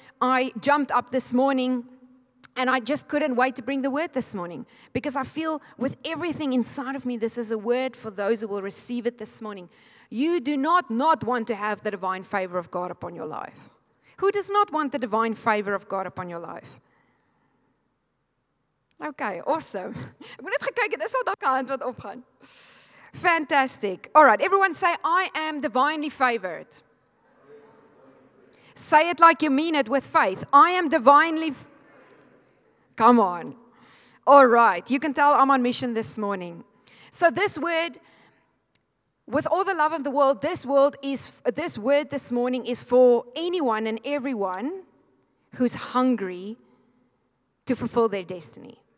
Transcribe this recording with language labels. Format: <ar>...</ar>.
<en>I jumped up this morning and I just couldn't wait to bring the word this morning, because I feel with everything inside of me, this is a word for those who will receive it this morning. You do not want to have the divine favor of God upon your life. Who does not want the divine favor of God upon your life? Okay, awesome.</en> <af>Ek moet net kyk, dis al dalk 'n hand wat opgaan.</af> <en>Fantastic. All right, everyone say, I am divinely favored. Say it like you mean it with faith. I am divinely favored. Come on. All right, you can tell I'm on mission this morning. So this word, with all the love of the world, this word this morning is for anyone and everyone who's hungry to fulfill their destiny.</en>